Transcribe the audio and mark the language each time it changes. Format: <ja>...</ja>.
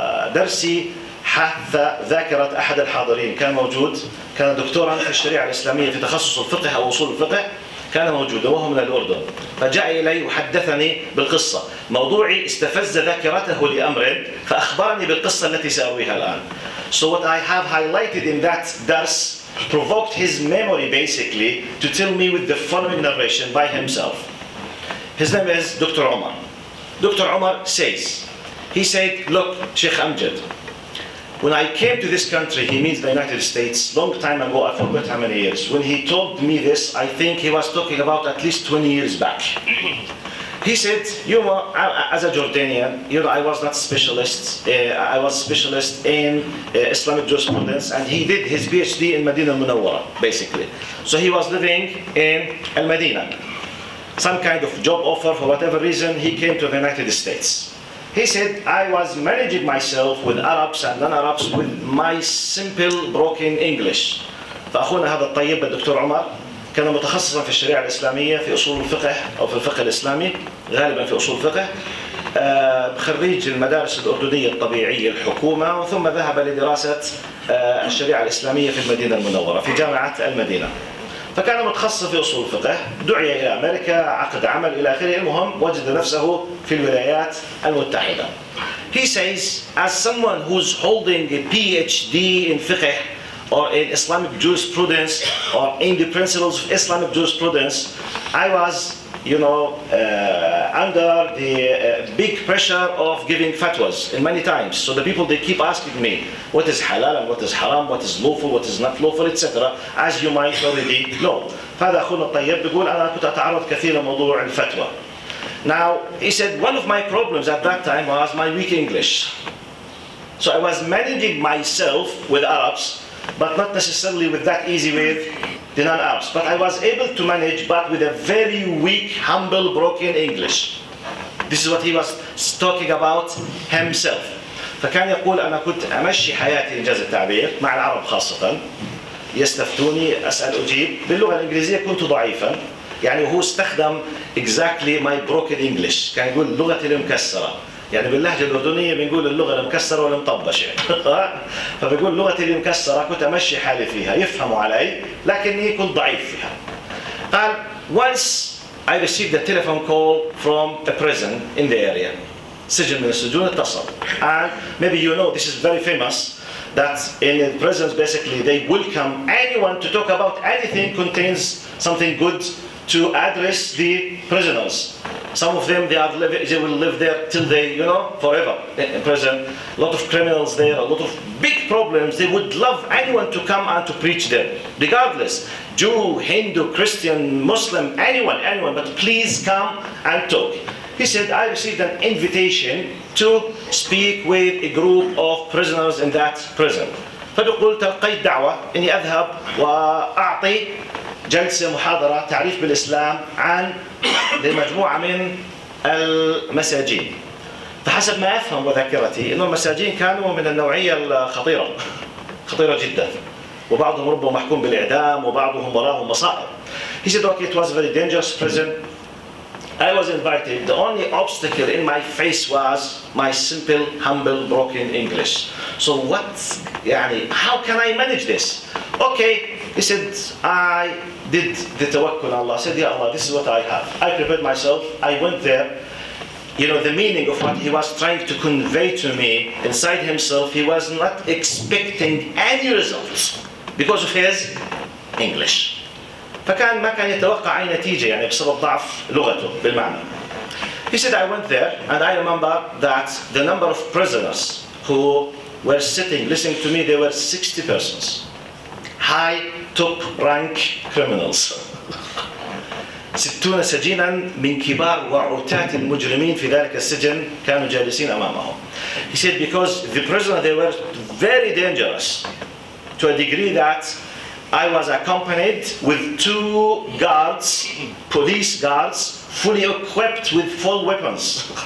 <ar>فدرسي حث ذاكرة أحد الحاضرين كان موجود كان دكتورا في الشريعة الإسلامية في تخصص الفقه أو أصول الفقه كان موجود وهو من الأردن فجاء إلي وحدثني بالقصة موضوعي استفز ذاكرته لأمر فأخبرني بالقصة التي سأرويها الآن</ar> <en>So what I have highlighted in that درس provoked his memory basically to tell me with the following narration by himself His name is Dr. Omar Dr. Omar says He said, look, Sheikh Amjad When I came to this country, he means the United States, long time ago, I forgot how many years. When he told me this, I think he was talking about at least 20 years back. He said, you know, as a Jordanian, you know, I was specialist in Islamic jurisprudence, and he did his PhD in Medina Munawwara, basically. So he was living in Al-Madinah. Some kind of job offer, for whatever reason, he came to the United States. He said, I was managing myself with Arabs and non-Arabs with my simple broken English.</en> <ar>فأخونا هذا الطيب الدكتور عمر كان متخصصا في الشريعة الإسلامية في أصول الفقه أو في الفقه الإسلامي، غالبا في أصول الفقه، خريج المدارس الأردنية الطبيعية الحكومة، ثم ذهب لدراسة الشريعة الإسلامية في المدينة المنورة في جامعة المدينة. فكان متخصص في أصول الفقه، دعي إلى أمريكا، عقد عمل إلى آخره. المهم وجد نفسه في الولايات المتحدة.</ar> <en>He says, as someone who's holding a PhD in fiqh or in Islamic jurisprudence or in the principles of Islamic jurisprudence, I was, you know, under the big pressure of giving fatwas in many times. So the people, they keep asking me what is halal and what is haram, what is lawful, what is not lawful, etc. As you might already know.</en> <ar>فهذا أخونا الطيب بيقول أنا كنت أتعرض كثيرا موضوع الفتوى.</ar> <en>Now, he said, one of my problems at that time was my weak English. So I was managing myself with Arabs, but not necessarily with that easy with the non-Arabs. But I was able to manage, but with a very weak, humble, broken English. This is what he was talking about himself.</en> <ar>فكان يقول أنا كنت أمشي حياتي إنجاز التعبير مع العرب خاصة. يستفتوني أسأل أجيب. باللغة الإنجليزية كنت ضعيفا. يعني هو استخدم</ar> <en>exactly my broken English،</en> <ar>كان يقول اللغة المكسرة، يعني باللهجة الأردنية بنقول اللغة المكسرة والمطبشة. فبيقول لغة المكسرة كنت أمشي حالي فيها، يفهموا علي لكني كنت ضعيف فيها.</ar> <en>قال once I received a telephone call from a prison in the area،</en> <ar>سجن من السجون اتصل.</ar> <en>And maybe you know this is very famous that in the prisons basically they welcome anyone to talk about anything contains something good to address the prisoners. Some of them, they will live there till they, you know, forever in prison. A lot of criminals there, a lot of big problems. They would love anyone to come and to preach them, regardless, Jew, Hindu, Christian, Muslim, anyone, anyone, but please come and talk. He said, I received an invitation to speak with a group of prisoners in that prison.</en> <ar>فقلت القي الدعوة إني أذهب وأعطي جلسة محاضرة تعريف بالإسلام عن لمجموعة من المساجين. فحسب ما أفهم وذاكرتي إنه المساجين كانوا من النوعية الخطيرة، خطيرة جدا، وبعضهم ربما محكوم بالإعدام وبعضهم وراهم مصائب.</ar> <en>He said, okay, it was a very dangerous prison. I was invited. The only obstacle in my face was my simple, humble, broken English. So what, يعني, how can I manage this? Okay, he said, I did the tawakkul Allah. I said, Ya Allah, this is what I have. I prepared myself, I went there. You know, the meaning of what he was trying to convey to me inside himself, he was not expecting any results because of his English.</en> <ar>فكان ما كان يتوقع أي نتيجة يعني بسبب ضعف لغته بالمعنى.</ar> <en>He said I went there and I remember that the number of prisoners who were sitting listening to me, they were 60 persons. High top rank criminals.</en> <ar>60 سجينا من كبار وعتات المجرمين في ذلك السجن كانوا جالسين أمامهم.</ar> <en>He said because the prisoners they were very dangerous to a degree that I was accompanied with two guards, police guards, fully equipped with full weapons.</en>